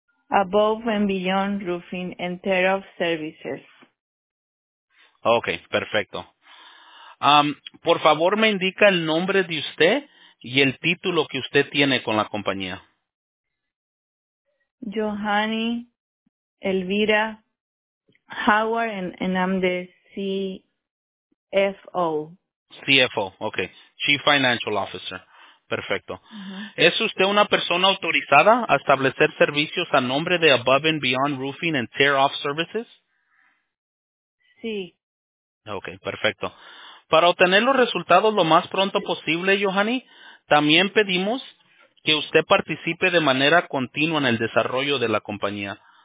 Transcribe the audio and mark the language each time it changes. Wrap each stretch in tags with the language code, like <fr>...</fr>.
<en>Above and Beyond Roofing and Tear Off Services.</en> <es>Ok, perfecto. Por favor me indica el nombre de usted y el título que usted tiene con la compañía.</es> <en>Johanny, Elvira, Howard, and I'm the CFO.</en> <es>CFO, ok.</es> <en>Chief Financial Officer.</en> <es>Perfecto. ¿Es usted una persona autorizada a establecer servicios a nombre de Above and Beyond Roofing and Tear Off Services? Sí. Ok, perfecto. Para obtener los resultados lo más pronto posible, Johanny, también pedimos que usted participe de manera continua en el desarrollo de la compañía.</es>